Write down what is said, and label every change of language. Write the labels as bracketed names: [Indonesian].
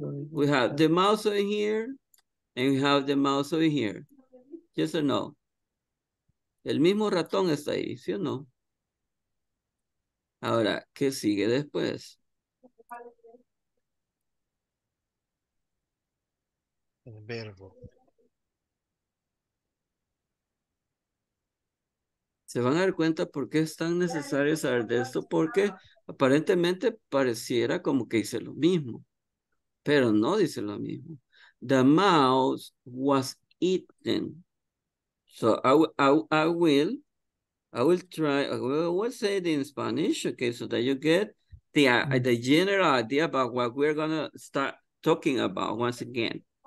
[English] We have the mouse over here, and we have the mouse over here. Yes or no? [Spanish] El mismo ratón está ahí, ¿sí o no? Ahora, ¿qué sigue después? El verbo. Se van a dar cuenta por qué es tan necesario saber de esto, porque aparentemente pareciera como que dice lo mismo, pero no dice lo mismo. [English] The mouse was eaten. So I will say it in Spanish, okay, so that you get the general idea about what we're gonna start talking about once again.